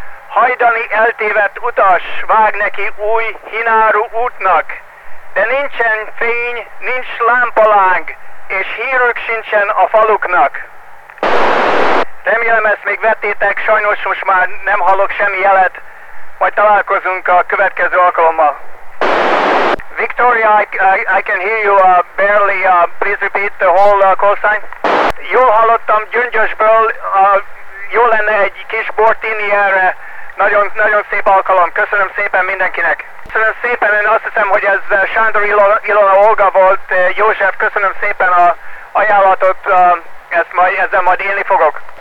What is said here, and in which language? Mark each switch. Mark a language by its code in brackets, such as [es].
[hu] Hajdani eltévedt utas, vág neki új hináru útnak. De nincsen fény, nincs lámpaláng, és hírük sincsen a faluknak. Remélem, ezt még vettétek, sajnos most már nem hallok semmi jelet. Majd találkozunk a következő alkalommal. [en] Victoria, I can hear you barely. Please repeat the whole call sign. [hu] Jól hallottam Gyöngyösből. Jó lenne egy kis Bortini erre. Nagyon szép alkalom. Köszönöm szépen mindenkinek. Köszönöm szépen. Én azt hiszem, hogy ez Sándor Ilona Olga volt. József, köszönöm szépen az ajánlatot. Ezzel majd élni fogok.